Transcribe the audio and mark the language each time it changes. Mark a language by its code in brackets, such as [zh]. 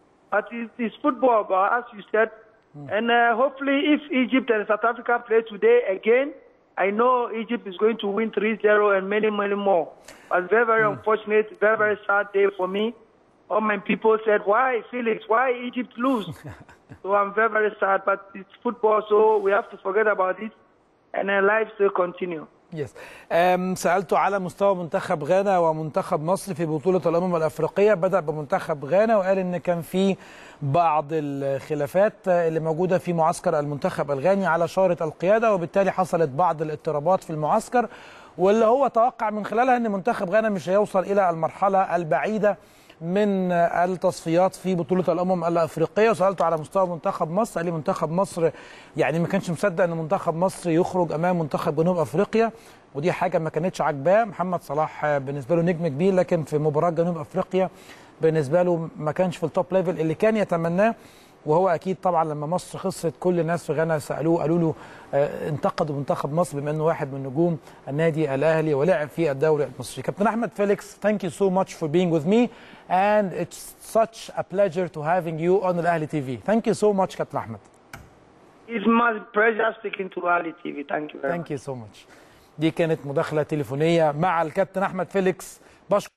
[en] But it's football, as you said. Mm. And hopefully, if Egypt and South Africa play today again, I know Egypt is going to win 3-0 and many, many more. But very, very unfortunate, very, very sad day for me. All my people said, why, Felix, why Egypt lose? So I'm very, very sad. But it's football, so we have to forget about it. And our life still continue. Yes. [ar] سألت على مستوى منتخب غانا ومنتخب مصر في بطولة الأمم الأفريقية، بدأ بمنتخب غانا وقال إن كان في بعض الخلافات اللي موجودة في معسكر المنتخب الغاني على شارة القيادة، وبالتالي حصلت بعض الاضطرابات في المعسكر، واللي هو توقع من خلالها إن منتخب غانا مش هيوصل إلى المرحلة البعيدة من التصفيات في بطولة الأمم الأفريقية. وسألته على مستوى منتخب مصر، قال لي منتخب مصر يعني ما كانش مصدق أن منتخب مصر يخرج أمام منتخب جنوب أفريقيا، ودي حاجة ما كانتش عاجباه. محمد صلاح بالنسبة له نجم كبير، لكن في مباراة جنوب أفريقيا بالنسبة له ما كانش في التوب ليفل اللي كان يتمناه. وهو أكيد طبعا لما مصر خسرت كل الناس في غانا سألوه، قالوا له انتقدوا منتخب مصر بما أنه واحد من نجوم النادي الأهلي ولعب في الدوري المصري. [en] Captain Ahmed Felix, thank you so much for being with me and it's such a pleasure to having you on الأهلي TV. Thank you so much captain Ahmed. It's my pleasure speaking to الأهلي TV. Thank you very much. Thank you so much. [ar] دي كانت مداخلة تليفونية مع الكابتن أحمد فيليكس. بشكر.